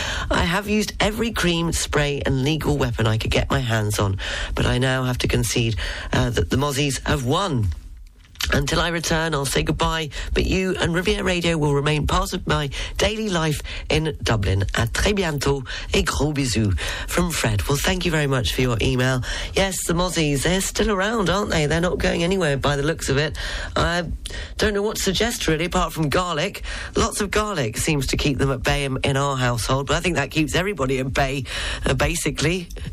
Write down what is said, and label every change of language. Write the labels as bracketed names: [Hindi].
[English] I have used every cream, spray and legal weapon I could get my hands on, but I now have to concede that the mozzies have won. Until I return, I'll say goodbye, but you and Riviera Radio will remain part of my daily life in Dublin. [French] A très bientôt, et gros bisous from Fred. [English] Well, thank you very much for your email. Yes, the mozzies, they're still around, aren't they? They're not going anywhere by the looks of it. I don't know what to suggest, really, apart from garlic. Lots of garlic seems to keep them at bay in our household, but I think that keeps everybody at bay, basically.